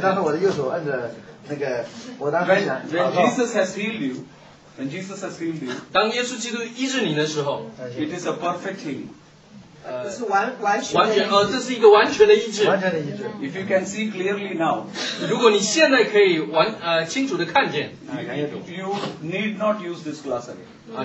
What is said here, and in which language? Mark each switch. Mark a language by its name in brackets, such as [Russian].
[Chinese] 当时我的右手按着那个，我当时想。 [English] When Jesus has healed you, when Jesus has healed you. [Chinese] 当耶稣基督医治你的时候。 [English] It is a perfect healing. [Chinese] 是完全的医治。这是一个完全的医治。完全的医治。 [English] If you can see clearly now, [Chinese] 如果你现在可以清楚的看见， [English] you need not use this glass again.